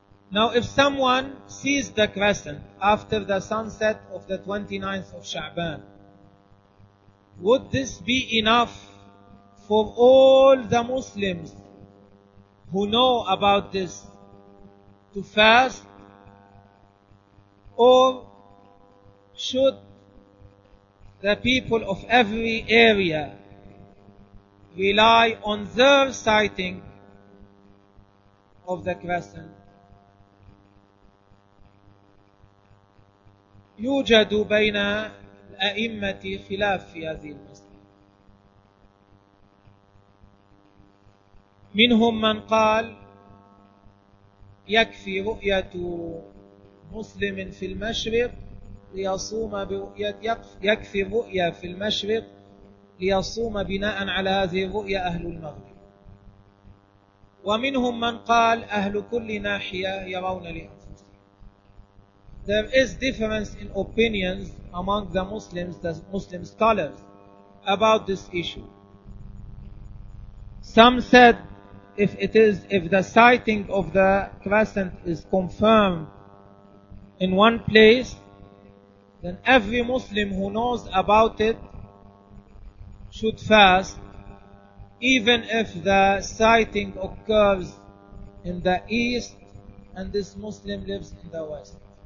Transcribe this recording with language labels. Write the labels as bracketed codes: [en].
[en] Now if someone sees the crescent after the sunset of the 29th of Sha'ban, would this be enough for all the Muslims who know about this to fast? Or should the people of every area rely on their sighting of the crescent? [ar] يوجد بين الأئمة خلاف في هذه المسألة. منهم من قال يكفي رؤية مسلم في المشرق ليصوم يكفي رؤية في المشرق ليصوم بناء على هذه الرؤية أهل المغرب. ومنهم من قال أهل كل ناحية يرون لأنفسهم. [en] There is difference in opinions among the Muslim scholars about this issue. Some said if the sighting of the crescent is confirmed in one place, then every Muslim who knows about it should fast, even if the sighting occurs in the east and this Muslim lives in the west.